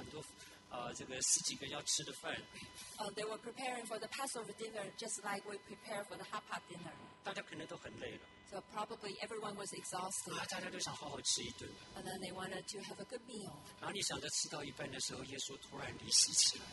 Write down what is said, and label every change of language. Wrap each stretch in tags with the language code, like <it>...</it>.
<zh>大家为了逾越节宴席，就跟我们搞火锅一样哈，这个又买菜又杀牛，又是用这个做很多事情，很多这个十几个要吃的饭。</zh> <en>They were preparing for the Passover dinner, just like we prepare for the Hapa dinner.</en> <zh>大家可能都很累了。</zh> <en>So probably everyone was exhausted.</en> <zh>大家都想好好吃一顿。</zh> <en>And then they wanted to have a good meal.</en> <zh>然后你想着吃到一半的时候，耶稣突然离席起来。</zh>